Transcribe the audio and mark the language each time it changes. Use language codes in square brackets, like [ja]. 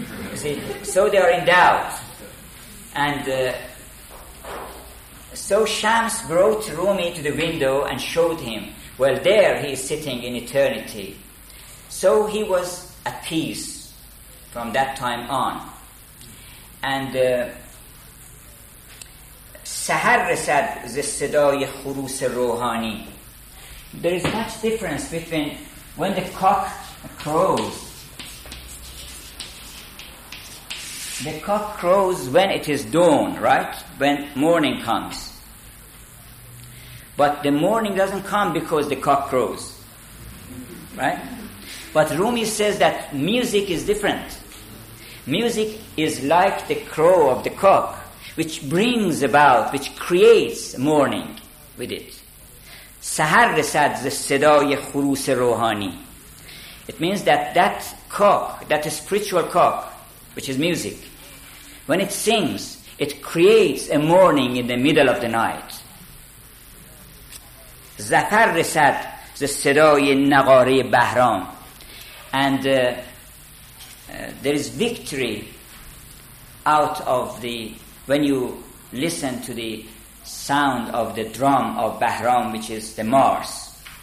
[en] You see, so they are in doubt. And so Shams brought Rumi to the window and showed him, well, there he is sitting in eternity. So he was at peace from that time on. [fa] And سحر رسد ز صدای خروس روحانی. [en] There is much difference between when the cock crows. The cock crows when it is dawn, right? When morning comes. But the morning doesn't come because the cock crows, right? But Rumi says that music is different. Music is like the crow of the cock, which brings about, which creates morning with it. [fa] سحر رسد ز صدای خروس روحانی. [en] It means that that cock, that spiritual cock, which is music, when it sings, it creates a morning in the middle of the night. [fa] زفر رسد ز صدای نقاره بهرام. [en] And there is victory out of the, when you listen to the sound of the drum of Bahram, which is the Mars.